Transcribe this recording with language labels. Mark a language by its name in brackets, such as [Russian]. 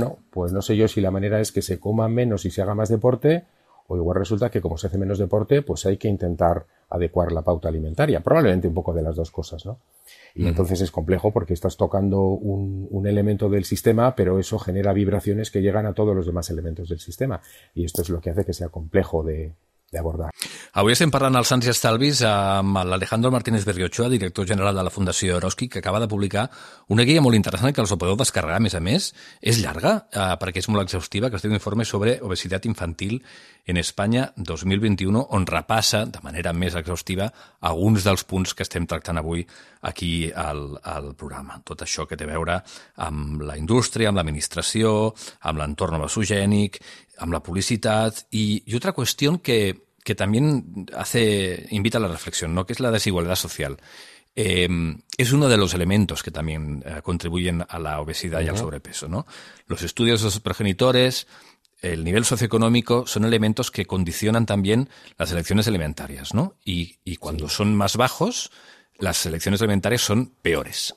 [Spanish] Pues no sé yo si la manera es que se coma menos y se haga más deporte, o igual resulta que como se hace menos deporte, pues hay que intentar adecuar la pauta alimentaria. Probablemente un poco de las dos cosas, ¿no? Y entonces es complejo porque estás tocando un elemento del sistema, pero eso genera vibraciones que llegan a todos los demás elementos del sistema. Y esto es lo que hace que sea complejo de abordar. [Catalan] Avui estem parlant als Sants i Estalvis amb l'Alejandro Martínez Berriochoa, director general de la Fundació Eroski, que acaba de publicar una guia molt interessant que els ho podeu descarregar, a més, és llarga, perquè és molt exhaustiva, que es diu Informe sobre obesitat infantil en Espanya 2021, on repassa de manera més exhaustiva alguns dels punts que estem tractant avui aquí al programa. Tot això que té a veure amb la indústria, amb l'administració, amb l'entorn obesogènic, amb la publicitat i altra qüestió que [Spanish] también invita a la reflexión, ¿no? Que es la desigualdad social. Es uno de los elementos que también contribuyen a la obesidad y al sobrepeso, ¿no? Los estudios de los progenitores, el nivel socioeconómico, son elementos que condicionan también las elecciones alimentarias, ¿no? Y cuando son más bajos, las elecciones alimentarias son peores.